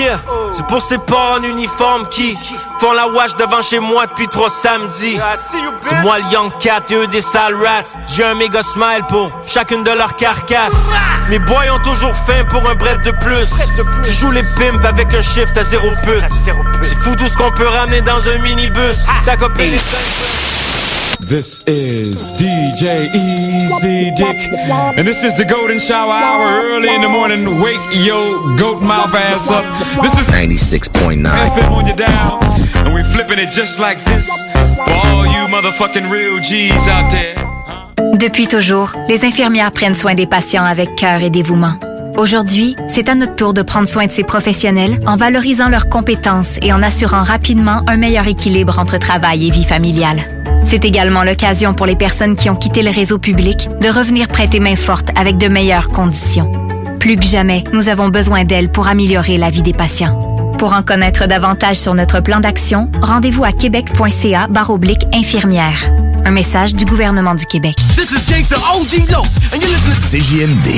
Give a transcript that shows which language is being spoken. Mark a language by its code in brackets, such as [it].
[fr] Yeah, c'est pour ces porcs en uniforme qui font la wash devant chez moi depuis trois samedis. C'est moi le Young Cat et eux des sales rats. J'ai un méga smile pour chacune de leurs carcasses. Mes boys ont toujours faim pour un bread de plus. Tu joues les pimps avec un shift à zéro pute. C'est fou tout ce qu'on peut ramener dans un minibus. Ta copine est... [en] This is DJ Easy Dick, and this is the Golden Shower Hour, early in the morning, wake yo goat mouth ass up. This is 96.9 FM on your dial, and we're flipping it just like this, for all you motherfucking real G's out there. [fr] Depuis toujours, les infirmières prennent soin des patients avec cœur et dévouement. Aujourd'hui, c'est à notre tour de prendre soin de ces professionnels en valorisant leurs compétences et en assurant rapidement un meilleur équilibre entre travail et vie familiale. C'est également l'occasion pour les personnes qui ont quitté le réseau public de revenir prêter main forte avec de meilleures conditions. Plus que jamais, nous avons besoin d'elle pour améliorer la vie des patients. Pour en connaître davantage sur notre plan d'action, rendez-vous à québec.ca/infirmière. Un message du gouvernement du Québec. [en] This is Gangsta OG Low, and you're listening to